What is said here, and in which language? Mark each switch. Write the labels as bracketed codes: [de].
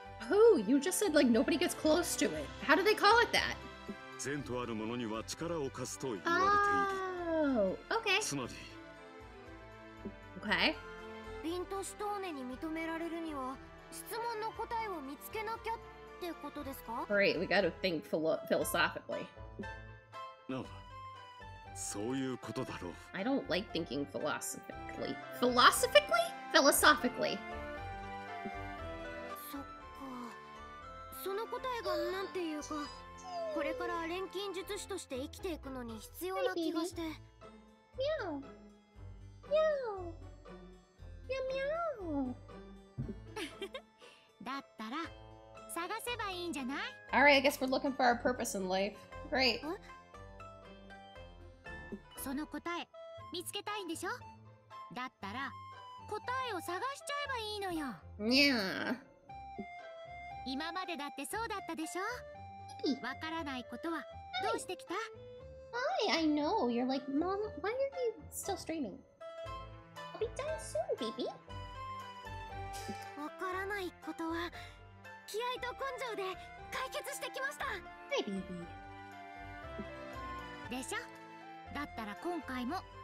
[en] Oh, you just said like nobody gets close to it. How do they call it that? [ja] 善とある者には力を貸すと言われている。 [en] Oh, okay. [ja] つまり。 [en] Okay. [ja] Vint Stone に認められるには、質問の答えを見つけなきゃってことですか? [en] Great, we gotta think philosophically. [ja] No, そういうことだろう。 [en] I don't like thinking philosophically. Philosophically? Philosophically. [ja] そっか。その答えがなんていうか、これから錬金術師として生きていくのに必要な気がして。ミャオ。ミャオ。ミャミャオ。だったら探せばいいんじゃない? [en] All right, I guess we're looking for our purpose in life. Great. [ja] その答え見つけたいんでしょ?だったら答えを探しちゃえばいいのよ。 [en] Yeah. [ja] 今までだってそうだったでしょ?わからないことはどうしてきた? [en] Hi, I know. You're like, Mom, why are you still streaming? I'll be done soon, baby. [ja] わからないことは気合と根性で解決してきました。はい、ビビでしょ。だったら今回もね。